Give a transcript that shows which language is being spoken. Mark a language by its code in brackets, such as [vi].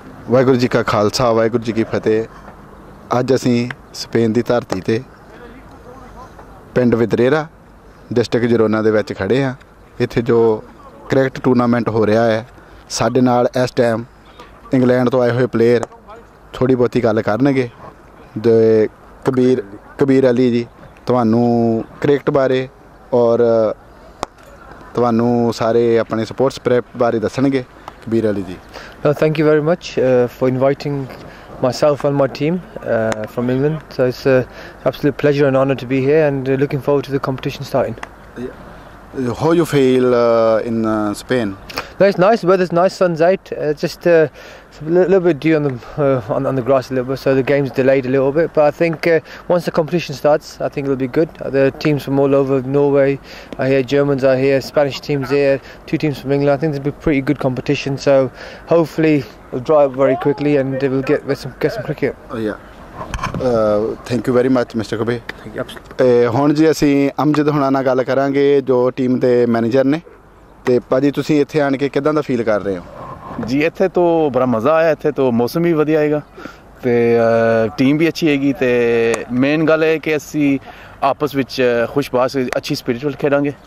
[pa] ਵਾਹਿਗੁਰੂ ਜੀ ਕਾ ਖਾਲਸਾ ਵਾਹਿਗੁਰੂ ਜੀ ਕੀ ਫਤਿਹ ਅੱਜ ਅਸੀਂ ਸਪੇਨ ਦੀ ਧਰਤੀ 'ਤੇ ਪਿੰਡ ਵਿਦਰੇਰਾ ਡਿਸਟ੍ਰਿਕਟ ਜਰੋਨਾ ਦੇ ਵਿੱਚ ਖੜ੍ਹੇ ਹਾਂ ਇੱਥੇ ਜੋ ਕ੍ਰਿਕਟ ਟੂਰਨਾਮੈਂਟ ਹੋ ਰਿਹਾ ਹੈ ਸਾਡੇ ਨਾਲ ਇਸ ਟਾਈਮ ਇੰਗਲੈਂਡ ਤੋਂ ਆਏ ਹੋਏ ਪਲੇਅਰ ਥੋੜ੍ਹੀ ਬਹੁਤੀ ਗੱਲ ਕਰਨਗੇ ਅਤੇ ਕਬੀਰ ਅਲੀ ਜੀ ਤੁਹਾਨੂੰ ਕ੍ਰਿਕਟ ਬਾਰੇ ਔਰ ਤੁਹਾਨੂੰ ਸਾਰੇ ਆਪਣੇ ਸਪੋਰਟਸ ਪ੍ਰੈਪ ਬਾਰੇ ਦੱਸਣਗੇ Kabir Ali ji [en] Well, thank you very much for inviting myself and my team from England. So it's an absolute pleasure and honor to be here and looking forward to the competition starting. How you feel in Spain? No, it's nice, the weather's nice, sun's out. Just a little bit dew on the grass a little bit, so the game's delayed a little bit. But I think once the competition starts, I think it'll be good. There are teams from all over, Norway, I hear Germans are here, Spanish teams here, two teams from England. I think it'll be pretty good competition, so hopefully it'll dry up very quickly and we'll get some cricket. Oh, yeah. Thank you very much, Mr. Kobe. Thank you, absolutely. [pa] ਹੁਣ ਜੀ ਅਸੀਂ ਅਮਜਦ ਹੁਣਾਂ ਨਾਲ ਗੱਲ ਕਰਾਂਗੇ ਜੋ team ਦੇ manager ਨੇ ਅਤੇ ਭਾਅ ਜੀ ਤੁਸੀਂ ਇੱਥੇ ਆਣ ਕੇ ਕਿੱਦਾਂ ਦਾ ਫੀਲ ਕਰ ਰਹੇ ਹੋ ਜੀ ਇੱਥੇ ਤੋਂ ਬੜਾ ਮਜ਼ਾ ਆਇਆ ਇੱਥੇ ਤੋਂ ਮੌਸਮ ਵੀ ਵਧੀਆ ਆਏਗਾ ਅਤੇ ਟੀਮ ਵੀ ਅੱਛੀ ਹੈਗੀ ਅਤੇ ਮੇਨ ਗੱਲ ਇਹ ਕਿ ਅਸੀਂ ਆਪਸ ਵਿੱਚ ਖੁਸ਼ਬਾਸ ਅੱਛੀ ਸਪਿਰਿਚੁਅਲ ਖੇਡਾਂਗੇ